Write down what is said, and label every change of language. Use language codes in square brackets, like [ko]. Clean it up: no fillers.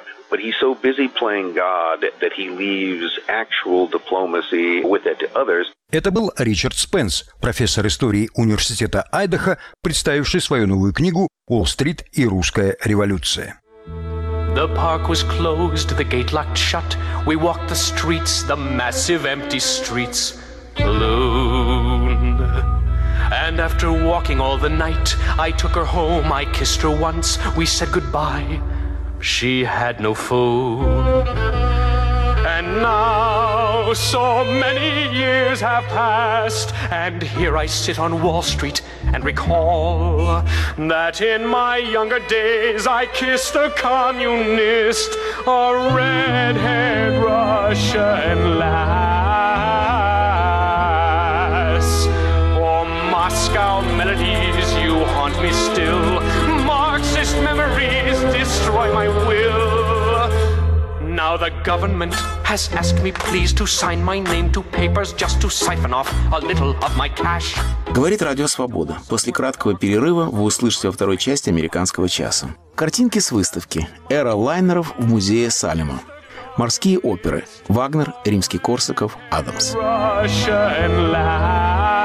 [en] But he's so busy playing God that he leaves actual diplomacy with it to others. [ru] Это был Ричард Спенс, профессор истории Университета Айдахо, представивший свою новую книгу «Уолл-стрит и русская революция». [en] The park was closed, the gate locked shut. We walked the streets, the massive empty streets, alone. And after walking all the night, I took her home, I kissed her once, we said goodbye. She had no phone. And now so many years have passed, and here I sit on Wall Street and recall that in my younger days I kissed a communist, a red-haired Russian lass. Oh, Moscow melodies, you haunt me still. Marxist memories destroy my will. Now the government has asked me please to sign my name to papers just to siphon off a little of my cash. [ru] Говорит Радио Свобода. После краткого перерыва вы услышите во второй части «Американского часа». Картинки с выставки. Эра лайнеров в музее Салема. Морские оперы. Вагнер, Римский-Корсаков, Адамс. [en] Russia and Latin.